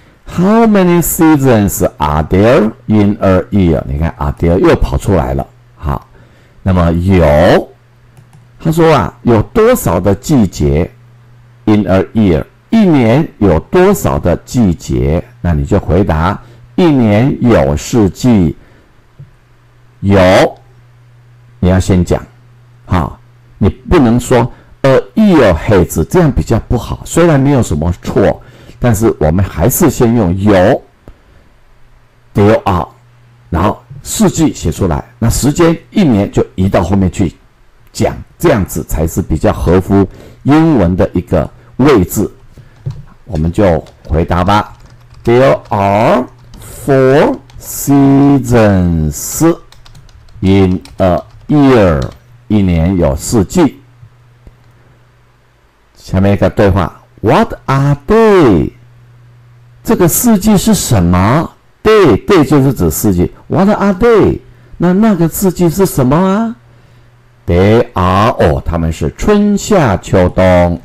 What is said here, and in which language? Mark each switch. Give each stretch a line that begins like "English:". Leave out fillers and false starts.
English: How many seasons are there in a year?
Chinese: 你看
English: are there
Chinese: 又跑出来了。好，那么有，他说啊，有多少的季节？
English: in a year，
Chinese: 一年有多少的季节？那你就回答，一年有四季，有，你要先讲，好，你不能说
English: a year has，
Chinese: 这样比较不好，虽然没有什么错，但是我们还是先用有
English: there are，
Chinese: 然后四季写出来，那时间一年就移到后面去讲，这样子才是比较合乎英文的一个位置。我们就回答吧，
English: There are four seasons in a year，
Chinese: 一年有四季。下面一个对话，
English: What are they？
Chinese: 这个四季是什么？对对，就是指四季。
English: What are they？
Chinese: 那那个四季是什么啊？
English: They are，
Chinese: 哦，他们是春夏秋冬。